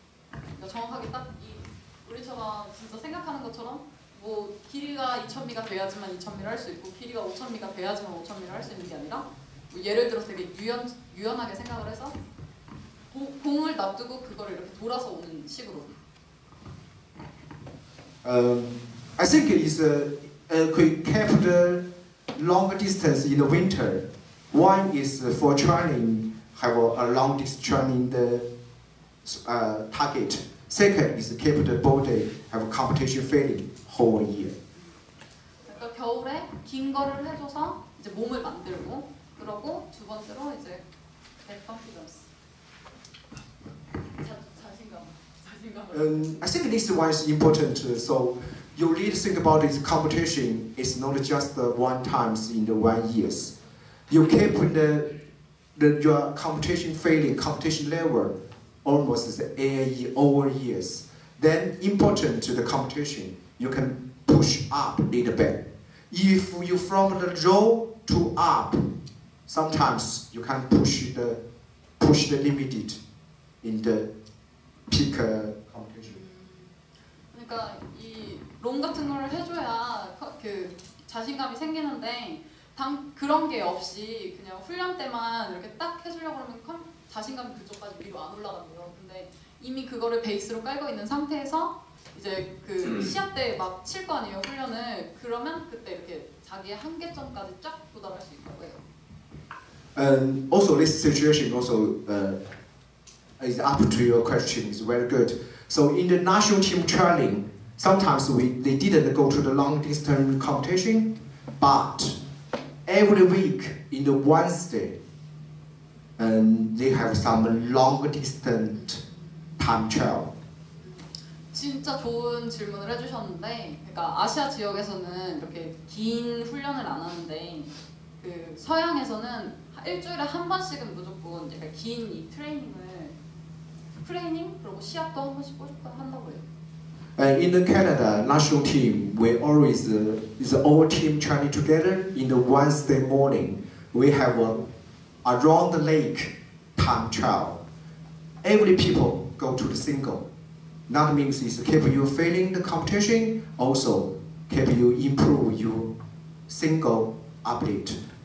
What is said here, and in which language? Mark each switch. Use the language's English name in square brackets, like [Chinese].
[Korean] 그러니까 정확하게 딱 이 우리처럼 진짜 생각하는 것처럼 뭐 길이가 2,000미가 돼야지만 2,000미를 할 수 있고 길이가 5,000미가 돼야지만 5,000미를 할 수 있는 게 아니라 뭐 예를 들어서 되게 유연하게 생각을 해서 공을 놔두고 그거를 이렇게 돌아서 오는 식으로. [English] I think it's we kept the long distance in the winter. One is for training, have a long distance training the target. Second is keep the body have a competition feeling whole year. [Korean] 그러니까 겨울에 긴 거를 해줘서 이제 몸을 만들고 그러고 두 번째로 이제 [English] confidence. [Korean] 자신감. [English] I think this one is important. So you need to think about this competition. It's not just the one times in the 1 year. You keep your competition failing, competition level, almost as a year over years. Then important to the competition, you can push up a little bit. If you from the low to up, sometimes you can push the limit in the peak competition. [Korean] 그러니까 이 롬 같은 걸 해줘야 그 자신감이 생기는데 당 그런 게 없이 그냥 훈련 때만 이렇게 딱 해주려고 하면 자신감이 그쪽까지 위로 안 올라가고요. 근데 이미 그거를 베이스로 깔고 있는 상태에서 이제 그 시합 때 막 칠 거 아니에요 훈련을 그러면 그때 이렇게 자기의 한계점까지 쫙 도달할 수 있다고 해요. [English] And also this situation also is up to your question is very good. So in the national team training. Sometimes they didn't go to the long distance competition, but every week in the Wednesday, and they have some long distance time travel. [Korean] 진짜 좋은 질문을 해주셨는데, 그러니까 아시아 지역에서는 이렇게 긴 훈련을 안 하는데, 그 서양에서는 일주일에 한 번씩은 무조건 약간 긴 이 트레이닝 그리고 시합도 한 번씩 꼬집고 한다고 해요. [English] In the Canada national team, we always is all team training together in the Wednesday morning. We have a around the lake time trial. Every people go to the single. That means it's keep you failing the competition, also keep you improve your single ability.